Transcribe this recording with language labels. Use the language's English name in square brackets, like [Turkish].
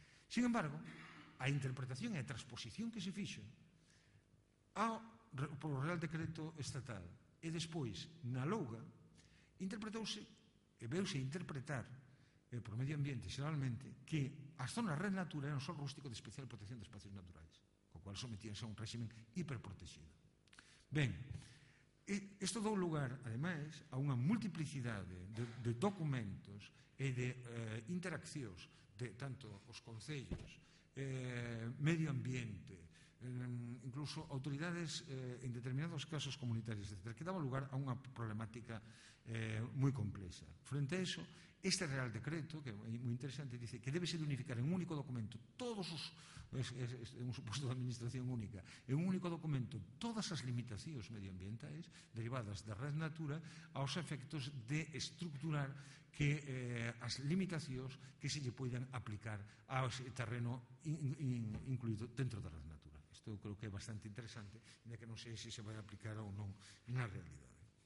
[Galician] Sin embargo, a interpretación e a transposición que se fixo polo Real Decreto Estatal e despois na Louga interpretouse e veuse interpretar por medio ambiente, xeralmente, que as zonas Red Natura eran só rústico de especial protección de espacios naturais, co cual sometíanse a un réxime hiperprotegido. Ben, isto dou lugar, ademais, a unha multiplicidade de documentos e de interaccións de tanto os concellos, medio ambiente, [Spanish] incluso autoridades en determinados casos comunitarios, etcétera, que daba lugar a una problemática muy compleja. Frente a eso, este Real Decreto, que es muy interesante, dice que debe ser unificar en un único documento todos los, es un supuesto de administración única, en un único documento todas las limitaciones medioambientales derivadas de Red Natura a los efectos de estructurar [Galician] que as limitacións que se lle poidan aplicar ao terreno incluído dentro da Red Natura. Isto eu creo que é bastante interesante, ainda que non sei se se vai aplicar ou non na realidade.